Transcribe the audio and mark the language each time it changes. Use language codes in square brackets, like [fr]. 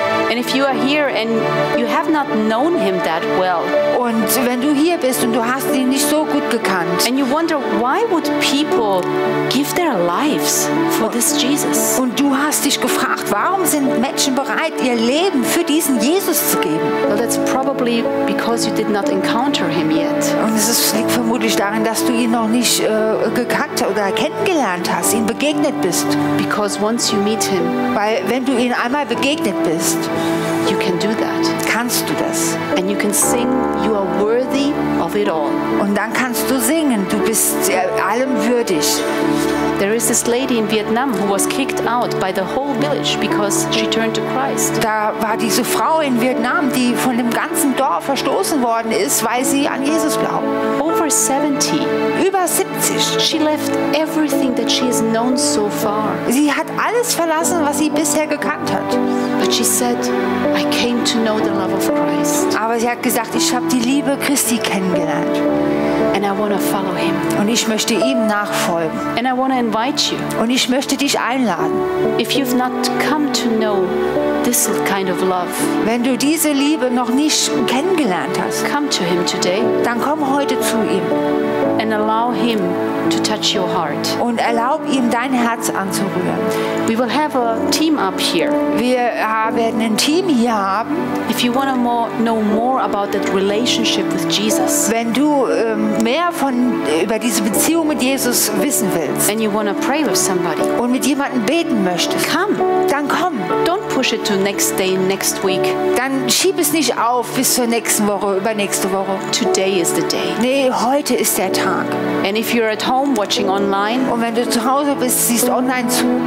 [en] And if you are here and you have not known him that well. [de] Und wenn du hier bist und du hast ihn nicht so gut gekannt. [en] And you wonder why would people give their lives for this Jesus? [de] Und du hast dich gefragt, warum sind Menschen bereit ihr Leben für diesen Jesus zu geben? [en] Well, that's probably because you did not encounter him yet. [de] Und es liegt vermutlich darin, dass du ihn noch nicht gekannt oder kennengelernt hast, ihn begegnet bist. [en] Because once you meet him, [de] weil wenn du ihn einmal begegnet bist, [en] you can do that. [de] Kannst du das? [en] And you can sing, you are worthy of it all. [de] Und dann kannst du singen, du bist allem würdig. [en] There is this lady in Vietnam who was kicked out by the whole village because she turned to Christ. [de] Da war diese Frau in Vietnam, die von dem ganzen Dorf verstoßen worden ist, weil sie an Jesus glaubt. [en] Over 70. [de] Über 70. [en] She left everything that she has known so far. [de] Sie hat alles verlassen, was sie bisher gekannt hat. [en] But she said, I came to know the love of Christ. [de] Aber sie hat gesagt, ich habe die Liebe Christi kennengelernt. [en] And I want to follow him. [de] Und ich möchte ihm nachfolgen. [en] And I want to invite you. [de] Und ich möchte dich einladen. [en] If you've not come to know this kind of love, [de] wenn du diese Liebe noch nicht kennengelernt hast, [en] come to him today. [de] Dann komm heute zu ihm. [en] And allow him to touch your heart. [de] Und erlaub ihm dein Herz anzurühren. [en] We will have a team up here. [de] Wir werden ein Team hier haben. [en] If you want to know more about that relationship with Jesus, [de] wenn du mehr von über diese Beziehung mit Jesus wissen willst, [en] and you want to pray with somebody, [de] und mit jemandem beten möchtest, [en] come. [de] Dann komm. [en] Don't push it to next day, next week. [de] Dann schieb es nicht auf bis zur nächsten Woche, übernächste Woche. [en] Today is the day. [de] Nee, heute ist der Tag. [en] And if you're at home watching online, [de] und wenn du zu Hause bist, siehst online zu,